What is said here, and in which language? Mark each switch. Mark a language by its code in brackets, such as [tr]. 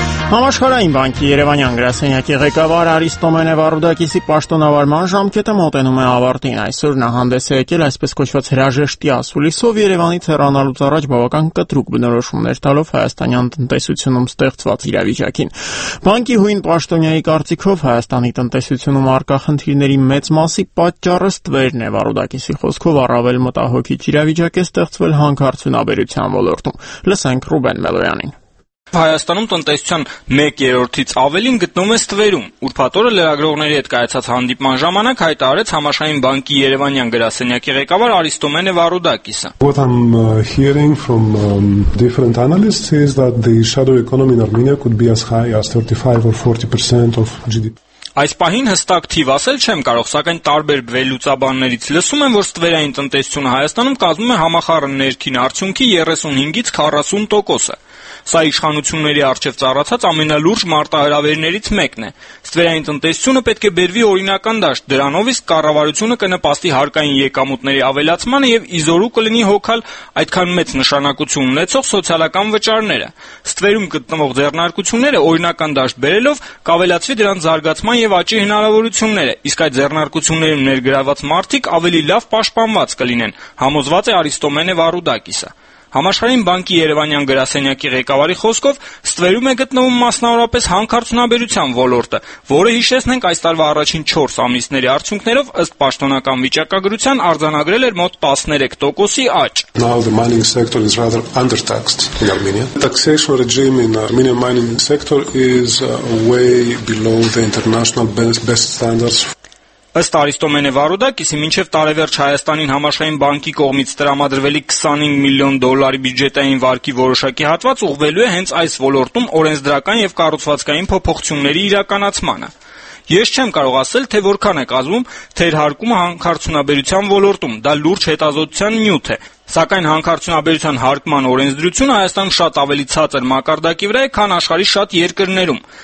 [hy] Համաշխարհային բանկի Երևանյան գրասենյակի ղեկավար Արիս Տոմենե Վարուդակիսի պաշտոնավարման ժամկետը մոտենում է ավարտին։ Այսօր նա հանդես է եկել այսպես կոչված հրաժեշտի ասուլիսով, Երևանից հեռանալուց առաջ բավական կտրուկ բնորոշումներ տալով հայաստանյան տնտեսությունում ստեղծված իրավիճակին։ Բանկի հույն պաշտոնյայի կարծիքով հայաստանի տնտեսությունում առկա խնդիրների մեծ մասի պատճառը ստվերն է, Վարուդակիսի խոսքով առավել մտահոգիչ իրավիճակ է ստեղծվել հանքարդյունաբերության ոլորտում։ Լսենք Ռուբեն Մելոյանին։ Հայաստանում տնտեսության 1/3-ից ավելին գտնվում է Ստվերում։ Ուրբաթորը լրագրողների հետ կայացած հանդիպման ժամանակ հայտարարեց Համաշխարհային բանկի Երևանյան գրասենյակի ղեկավար Արիս Տոմենե Վարուդակիսը։ [en] What I'm hearing from different analysts is that the shadow economy in Armenia could be as high as 35 or 40% of GDP. [hy] Այս պահին հստակ թիվ ասել չեմ կարող, սակայն տարբեր վերլուծաբաններից լսում եմ, որ Ստվերային տնտեսությունը Հայաստանում կազմում է համախառը ներքին արդյունքի 35-40%-ը։ Սա իշխանությունների առջև ծառացած ամենալուրջ մարտահրավերներից մեկն է։ Ստվերային տնտեսությունը պետք է բերվի օրինական դաշտ, դրանով իսկ կառավարությունը կնպաստի հարկային եկամուտների ավելացմանը և իզորու կլինի հոգալ այդքան մեծ նշանակություն ունեցող սոցիալական վճարները։ Ստվերում գտնվող ձեռնարկությունները օրինական դաշտ բերելով կավելացվի դրան զարգացման և աճի հնարավորությունները, իսկ այդ ձեռնարկություններում ներգրաված մարդիկ ավելի լավ պաշտպանված կլինեն, համոզված է Արիս Տոմենե Վարուդակիսը։ Համաշխարհային բանկի Երևանյան գրասենյակի ղեկավարի խոսքով Ստվերում է գտնվում մասնավորապես հանքարդյունաբերության ոլորտը, որը հիշեցնենք այս տարվա առաջին 4 ամիսների արդյունքներով ըստ պաշտոնական վիճակագրության արձանագրել էր մոտ 13% աճ. [en] Now the mining sector is rather undertaxed in Armenia. The taxation regime in Armenian mining sector is way below the international best standards. [hy] Ըստ Արիստոմենե Վարուդակիսի, մինչև տարեվերջ Հայաստանի համաշխարհային բանկի կողմից տրամադրվելի $25 միլիոն բյուջետային վարկի որոշակի հատված ուղղվելու է հենց այս ոլորտում օրենսդրական և կառուցվածքային փոփոխությունների իրականացմանը։ Ես չեմ կարող ասել, թե որքան է կազմում թերհարկումը հանքարդյունաբերության ոլորտում, դա լուրջ հետազոտության նյութ է, սակայն հանքարդյունաբերության հարկման օրենսդրությունը Հայաստանում շատ ավելի ցածր մակարդակի վրա է, քան աշխարհի շատ երկրներում։